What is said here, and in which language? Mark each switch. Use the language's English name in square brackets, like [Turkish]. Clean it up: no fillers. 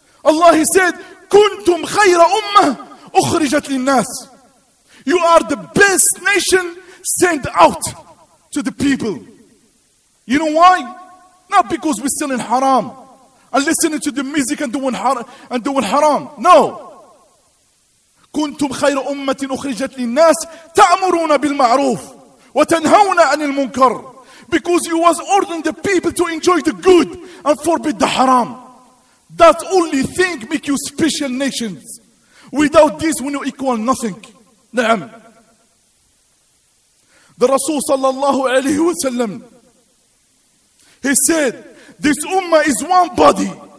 [Arabic] Allah, [English] he said, [Arabic] كنتم خير أمة أخرجت للناس. [English] You are the best nation sent out to the people. You know why? Not because we're selling haram and listening to the music and doing haram. No. [Arabic] كنتم خير أمة أخرجت للناس تأمرون بالمعروف وتنهون عن المنكر. [English] Because you was ordering the people to enjoy the good and forbid the haram. That only thing make you special nations. Without this, we no equal nothing. نعم. The Rasul sallallahu alayhi wa sallam, he said, this ummah is one body.